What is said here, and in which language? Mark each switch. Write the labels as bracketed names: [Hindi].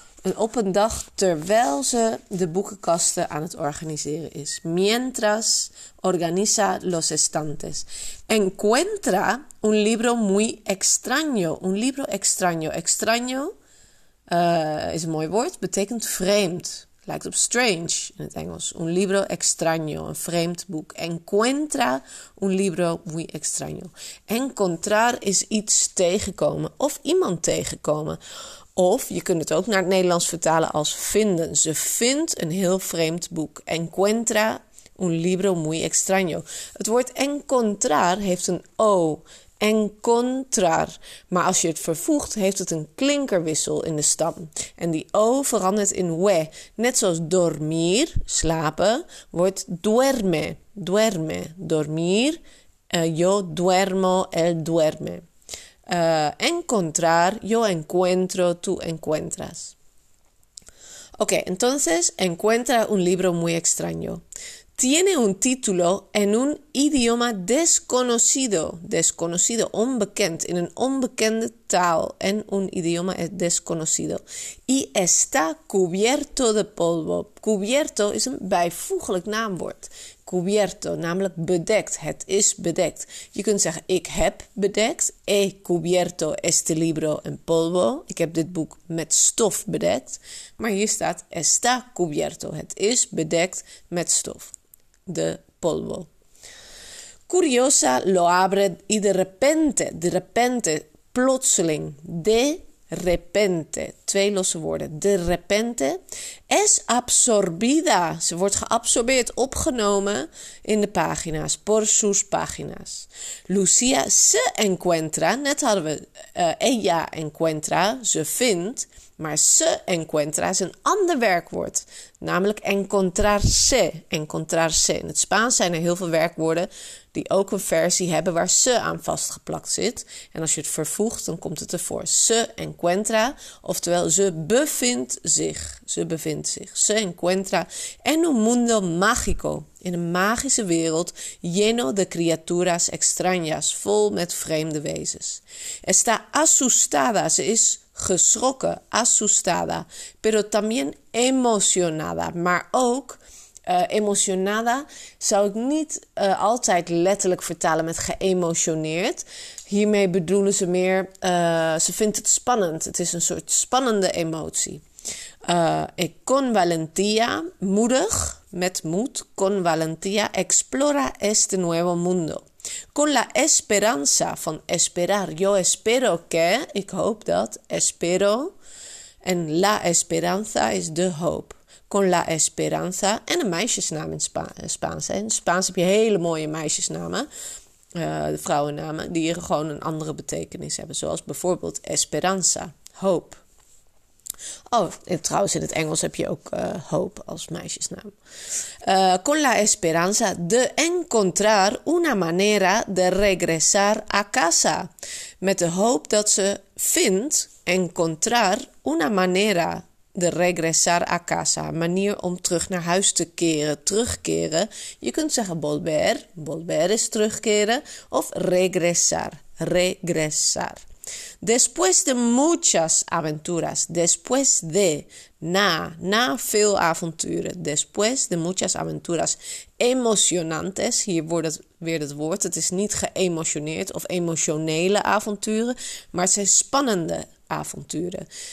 [Dutch] En op een dag terwijl ze de boekenkasten aan het organiseren is. [Spanish] Mientras organiza los estantes. Encuentra un libro muy extraño. Un libro extraño. [Dutch] Extraño is een mooi woord, betekent vreemd. Lijkt op strange in het Engels. [Spanish] Un libro extraño, [Dutch] een vreemd boek. [Spanish] Encuentra un libro muy extraño. [Dutch] Encontrar is iets tegenkomen of iemand tegenkomen. Of je kunt het ook naar het Nederlands vertalen als vinden. Ze vindt een heel vreemd boek. [Spanish] Encuentra un libro muy extraño. [Dutch] Het woord encontrar heeft een O. Encontrar. Maar als je het vervoegt, heeft het een klinkerwissel in de stam. En die O verandert in we. Net zoals dormir, slapen, wordt duerme. [Spanish] Duerme. Dormir. Yo duermo, él duerme. Encontrar, yo encuentro, tú encuentras. Ok, entonces, encuentra un libro muy extraño. tiene un título en un idioma desconocido, desconocido, unbekend, en un unbekende taal, en un idioma desconocido, y está cubierto de polvo. Cubierto es un [Dutch] bijvoeglijk naamwoord. Cubierto, namelijk bedekt, het is bedekt. Je kunt zeggen, ik heb bedekt, [Spanish] he cubierto este libro en polvo, [Dutch] ik heb dit boek met stof bedekt. Maar hier staat, [Spanish] está cubierto, [Dutch] het is bedekt met stof, de polvo. [Spanish] Curiosa lo abre y de repente, plotseling, de repente, [Dutch] twee losse woorden. [Spanish] De repente es absorbida. [Dutch] Ze wordt geabsorbeerd, opgenomen in de pagina's, [Spanish] por sus páginas. Lucía se encuentra, [Dutch] net hadden we ella encuentra, ze vindt, maar se encuentra is een ander werkwoord, namelijk encontrarse, encontrarse. In het Spaans zijn er heel veel werkwoorden die ook een versie hebben waar se aan vastgeplakt zit. En als je het vervoegt, dan komt het ervoor. [Spanish] Se encuentra, [Dutch] oftewel ze bevindt zich. Ze bevindt zich. [Spanish] Se encuentra en un mundo mágico. [Dutch] In een magische wereld, [Spanish] lleno de criaturas extrañas. [Dutch] Vol met vreemde wezens. [Spanish] Está asustada, [Dutch] ze is geschrokken. [Spanish] Asustada, pero también emocionada, [Dutch] maar ook... emocionada zou ik niet altijd letterlijk vertalen met geëmotioneerd. Hiermee bedoelen ze meer, ze vindt het spannend. Het is een soort spannende emotie. [Spanish] Con valentía, [Dutch] moedig, met moed, [Spanish] con valentía, explora este nuevo mundo. Con la esperanza, van esperar, yo espero que, [Dutch] ik hoop dat, [Spanish] espero. [Dutch] En la esperanza is de hoop. [Spanish] Con la esperanza. [Dutch] En een meisjesnaam in Spaans. In Spaans heb je hele mooie meisjesnamen. De vrouwennamen. Die gewoon een andere betekenis hebben. Zoals bijvoorbeeld esperanza. Hoop. Oh, trouwens in het Engels heb je ook hoop als meisjesnaam. [Spanish] Con la esperanza de encontrar una manera de regresar a casa. [Dutch] Met de hoop dat ze vindt. [Spanish] Encontrar una manera de regresar a casa, [Dutch] een manier om terug naar huis te keren, terugkeren. Je kunt zeggen volver, volver is terugkeren, of regresar, regresar. [Spanish] Después de muchas aventuras, [Dutch] después de, na veel avonturen, [Spanish] después de muchas aventuras emocionantes, [Dutch] hier wordt het weer het woord, het is niet geëmotioneerd of emotionele avonturen, maar het zijn spannende avonturen.